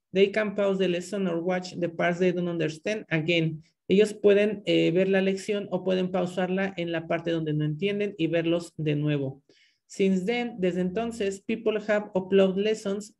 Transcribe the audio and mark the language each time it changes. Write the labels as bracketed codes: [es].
[en] They can pause the lesson or watch the parts they don't understand again. [es] Ellos pueden ver la lección o pueden pausarla en la parte donde no entienden y verlos de nuevo. [en] Since then, [es] desde entonces, [en] people have uploaded lessons.